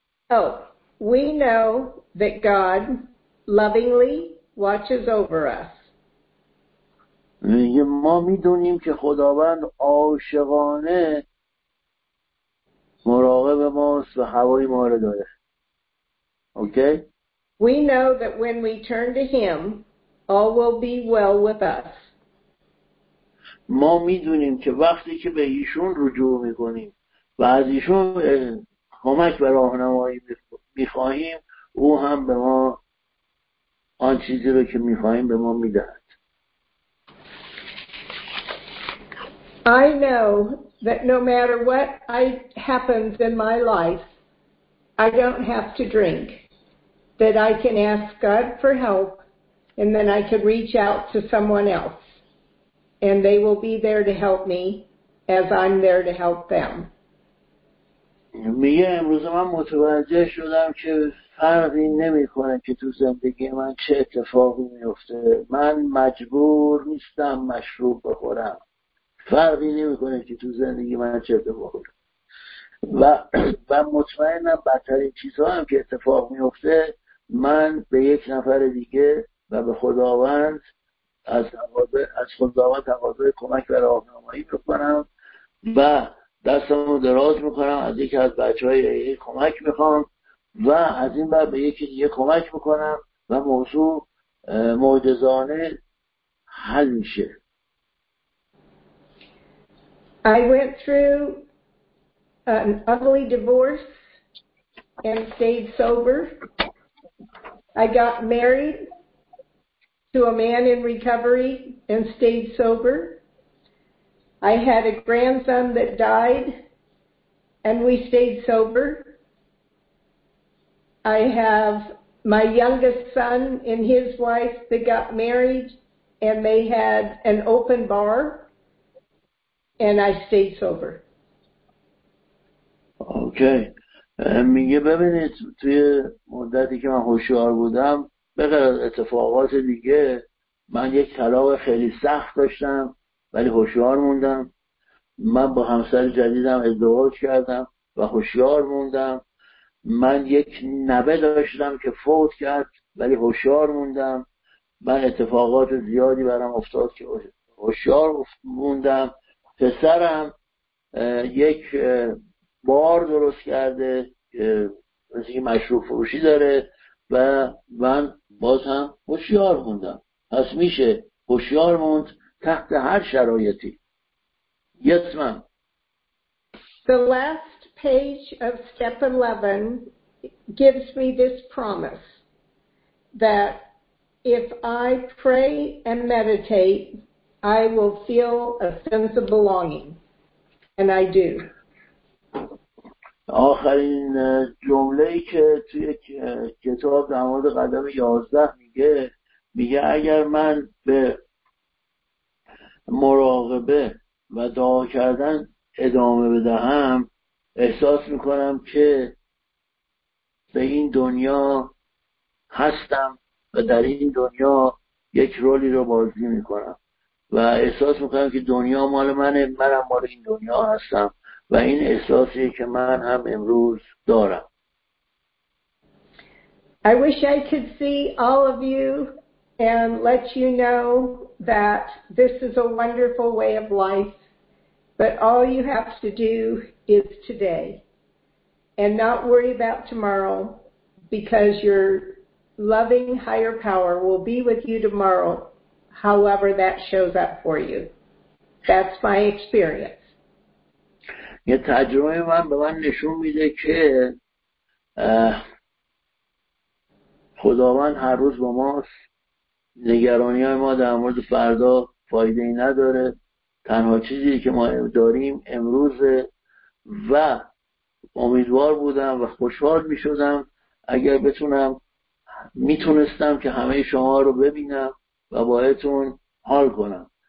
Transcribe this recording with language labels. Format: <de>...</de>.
<en>Oh, we know that God lovingly watches over us.</en> <fa>ما میدونیم که خداوند عاشقانه مراقب ماست و هوای ما رو داره.</fa> <en>Okay? We know that when we turn to him, all will be well with us. ما میدونیم که وقتی که به ایشون رجوع میکنیم و از ایشون کمک و راهنمایی میخواهیم، او هم به ما آن چیزی رو که میخواهیم به ما میدهد. I know that no matter what happens in my life, I don't have to drink. That I can ask God for help, and then I can reach out to someone else. And they will be there to help me as I'm there to help them.</en> <fa>میگه امروز من متوجه شدم که فرقی نمی کنه که تو زندگی من چه اتفاقی می افته. من مجبور نیستم مشروب بخورم. فرقی نمی کنه که تو زندگی من چه اتفاقی و مطمئنم بدترین چیزها هم که اتفاق می افته، من به یک نفر دیگه و به خداوند از خداوند تقاضای کمک و راهنمایی بکنم و دستمو دراز میکنم، از یکی از بچه های ایه کمک میخوام و از این بعد به یکی دیگه کمک میکنم و موضوع معجزانه حل میشه.</fa> <en>I went through an ugly divorce and stayed sober. I got married to a man in recovery and stayed sober. I had a grandson that died, and we stayed sober. I have my youngest son and his wife that got married, and they had an open bar, and I stayed sober. Okay.</en> <fa>میگه ببینید توی مدتی که من هوشیار بودم، به غیر از اتفاقات دیگه، من یک طلاق خیلی سخت داشتم ولی هوشیار موندم. من با همسر جدیدم ازدواج کردم و هوشیار موندم. من یک نوه داشتم که فوت کرد ولی هوشیار موندم. من اتفاقات زیادی برام افتاد که هوشیار موندم. پسرم یک بار درست کرده مثل که مشروب فروشی داره و من باز هم هوشیار موندم. پس میشه هوشیار موند تحت هر شرایطی.</fa> <en>Yes, ma'am. The last page of step 11 gives me this promise that if I pray and meditate, I will feel a sense of belonging. And I do.</en> <fa>آخرین جمله ای که توی کتاب در مورد قدم 11 میگه اگر من به مراقبه و دعا کردن ادامه بدهم، احساس میکنم که به این دنیا هستم و در این دنیا یک رولی رو بازی میکنم و احساس میکنم که دنیا مال منه، منم مال این دنیا هستم و این احساسیه که من هم امروز دارم.</fa> <en>I wish I could see all of you and let you know that this is a wonderful way of life, but all you have to do is today and not worry about tomorrow, because your loving higher power will be with you tomorrow, however that shows up for you. That's my experience.</en> <fa>یه تجربه من به من نشون میده که خداوند هر روز با ماست. نگرانی های ما در مورد فردا فایده ای نداره. تنها چیزی که ما داریم امروزه و امیدوار بودم و خوشحال می شدم اگر بتونم میتونستم که همه شما رو ببینم و باهاتون حال کنم.</fa>